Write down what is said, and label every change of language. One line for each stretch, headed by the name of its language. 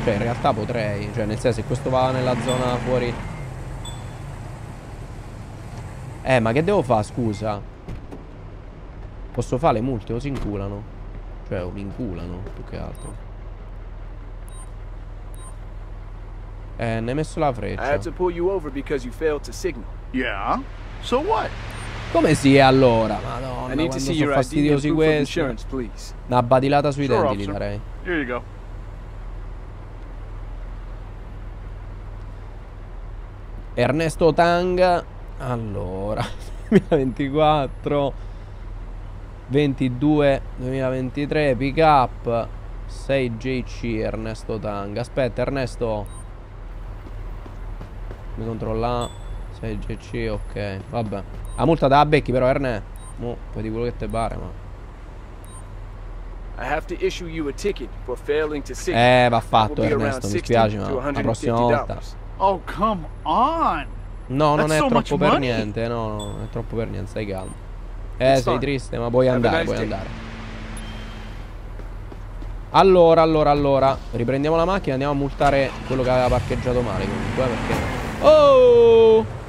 Italian: Cioè, in realtà potrei. Cioè, nel senso, se questo va nella zona fuori. Ma che devo fare? Scusa. Posso fare le multe o si inculano? Cioè, o mi inculano, più che altro. Ne hai messo la freccia.
English: I had to pull you over because you failed to signal. Yeah? So what?
Italian: Come si è allora? Madonna, quando sono fastidiosi questi. Una badilata sui denti gli darei.
English: Here you go.
Italian: Ernesto Tang. Allora, 2024. 22 2023 pick up 6JC Ernesto Tang. Aspetta, Ernesto. Mi controlla 6JC, ok. Vabbè. La multa da becchi però, Erne. Mo, poi di quello che te pare, ma.
English: I have to issue you a ticket for failing to see.
Italian: Va fatto, Ernesto, mi spiace, ma la prossima volta.
English: Oh, come on.
Italian: No, non è troppo per niente, no, no, non è troppo per niente, stai calmo. Sei triste, ma puoi andare, puoi andare. Allora, riprendiamo la macchina e andiamo a multare quello che aveva parcheggiato male, comunque, perché. Oh!